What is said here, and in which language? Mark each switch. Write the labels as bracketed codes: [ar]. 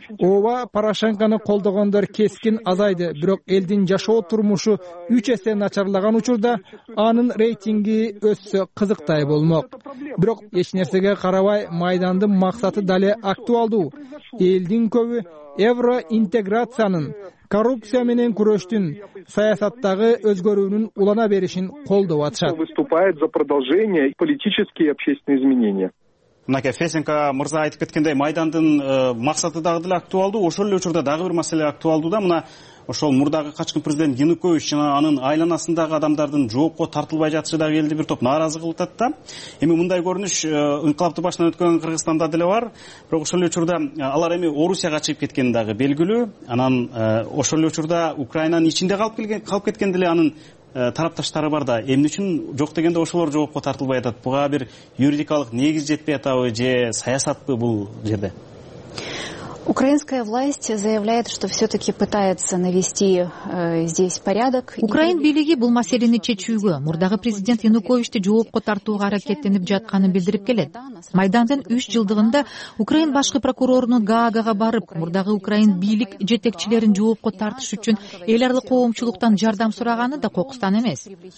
[ky] Ооба, Порошенкону колдогондор кескин азайды, бирок элдин жашоо турмушу 3 эсе начарлаган учурда анын рейтинги өссө кызыктай болмок. Бирок эч нерсеге карабай майдандын максаты дале актуалдуу. Элдин көбү евроинтеграциянын, коррупция менен күрөштүн, саясаттагы өзгөрүүнүн улана беришин колдоп атышат. [ru] Выступает за продолжение политические и общественные изменения. [ky] Мынакей Фесенко мырза айтып кеткендей, майдандын максаты дагы деле актуалдуу. Ошол эле учурда дагы бир маселе актуалдуу да, мына ошол мурдагы качкын президент Янукович жана анын айланасындагы адамдардын жоопко тартылбай жатышы дагы элди бир топ нааразы кылып атат да. Эми мындай көрүнүш инкылапты башынан өткөн Кыргызстанда деле бар. Бирок ошол эле учурда алар эми Орусияга чыгып кеткени дагы белгилүү. Анан ошол эле учурда Украинанын ичинде калып кеткен деле анын тарапташтары бар да. Эмне үчүн жок дегенде ошолор жоопко тартылбай атат? Буга бир юридикалык негиз жетпей атабы же саясатпы бул жерде? [ru] Украинская власть заявляет, что все-таки пытается навести здесь порядок. [ky] Украин бийлиги бул маселени чечүүгө мурдагы президент Януковичти жоопко тартууга аракеттенип жатканын билдирип келет. Майдандын 3 жылдыгында Украин башкы прокурорунун Гаагага барып, мурдагы Украин бийлик жетекчилерин жоопко тартыш үчүн эл аралык коомчулуктан жардам сураганы да кокустан эмес.